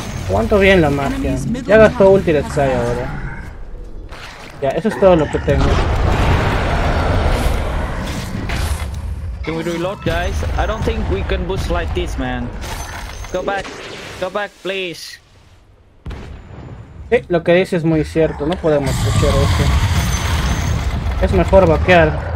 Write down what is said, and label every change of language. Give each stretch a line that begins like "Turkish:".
Spanish: ¿Cuánto bien la magia? Ya gastó ulti de Sky ahora. Ya, eso es todo lo que tengo.
English: Can we reload, guys? I don't think we can boost like this, man. Go back, please.
Spanish: Sí, lo que dice es muy cierto. No podemos escuchar esto. Es mejor vaquear.